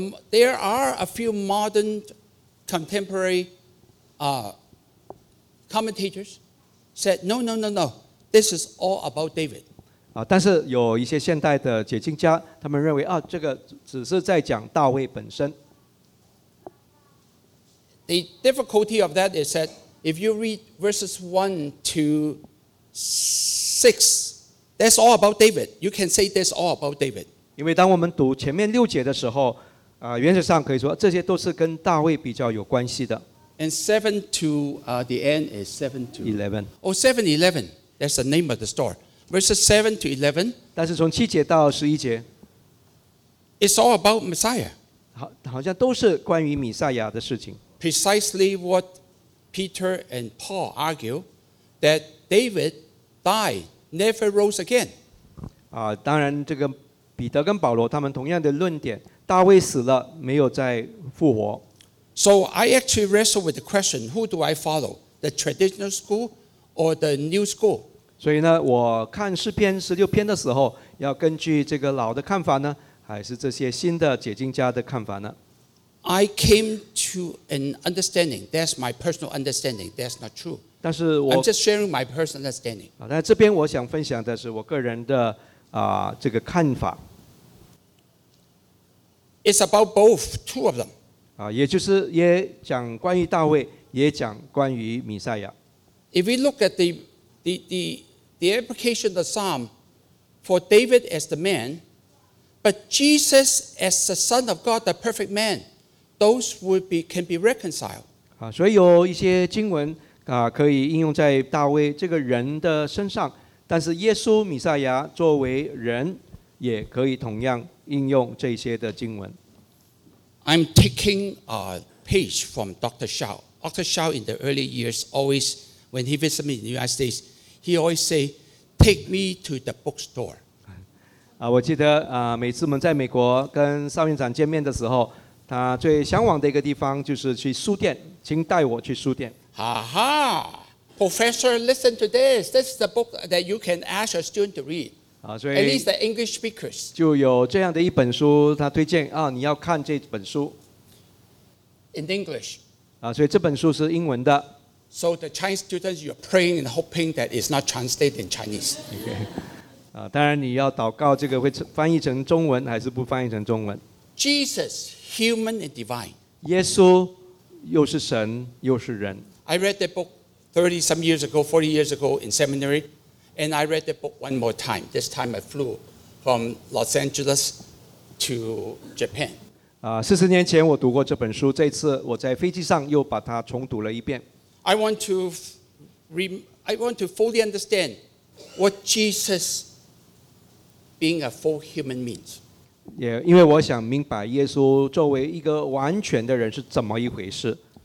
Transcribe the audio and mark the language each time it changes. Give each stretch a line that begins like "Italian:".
English: There are a few modern contemporary commentators said, no. This is all about David.
Chinese: 但是有一些现代的解经家，他们认为这个只是在讲大卫本身。
English: The difficulty of that is that if you read verses 1-6, that's all about David. You can say that's all about David.
Chinese: 因为当我们读前面六节的时候，原则上可以说这些都是跟大卫比较有关系的。
English: And 7-11. That's the name of the story. Verses 7-11.
Chinese: 但是从七节到十一节
English: ，It's all about Messiah.
Chinese: 好像都是关于弥赛亚的事情。
English: Precisely what Peter and Paul argue that David died, never rose again.
Chinese: 当然这个彼得跟保罗他们同样的论点，大卫死了没有再复活。
English: So I actually wrestle with the question: Who do I follow? The traditional school or the new school?
Chinese: 所以呢，我看诗篇十六篇的时候，要根据这个老的看法呢，还是这些新的解经家的看法呢
English: ？I came to an understanding. That's my personal understanding. That's not true.
Chinese: 但是我
English: I'm just sharing my personal understanding.
Chinese: 但这边我想分享的是我个人的这个看法。
English: It's about both, two of them.
Chinese: 也就是也讲关于大卫，也讲关于弥赛亚。
English: If we look at the application of the psalm for David as the man, but Jesus as the Son of God, the perfect man, those can be reconciled.
Chinese: 所以有一些经文可以应用在大卫这个人的身上，但是耶稣弥赛亚作为人也可以同样应用这些的经文。
English: I'm taking a page from Dr. Shao. Dr. Shao in the early years always, when he visited me in the United States,He always say, "Take me to the bookstore."
Chinese: 我记得每次我们在美国跟邵院长见面的时候，他最向往的一个地方就是去书店，请带我去书店。
English: 哈哈 ，Professor, listen to this. This is the book that you can ask a student to read.
Chinese: 所以
English: at least the English speakers
Chinese: 就有这样的一本书，他推荐你要看这本书。
English: In English.
Chinese: 所以这本书是英文的。
English: So the Chinese students, you're praying and hoping that it's not translated in Chinese. Okay.
Chinese: 当然你要祷告这个会翻译成中文还是不翻译成中文。
English: Jesus, human and divine.
Chinese: 耶稣又是神又是人。
English: I read that book 30 some years ago, 40 years ago in seminary, and I read that book one more time. This time I flew from Los Angeles to Japan.
Chinese: 40年前我读过这本书，这次我在飞机上又把它重读了一遍。
English: I want to fully understand what Jesus being a full human means.
Chinese: 也因为我想明白耶稣作为一个完全的人是怎么一回事。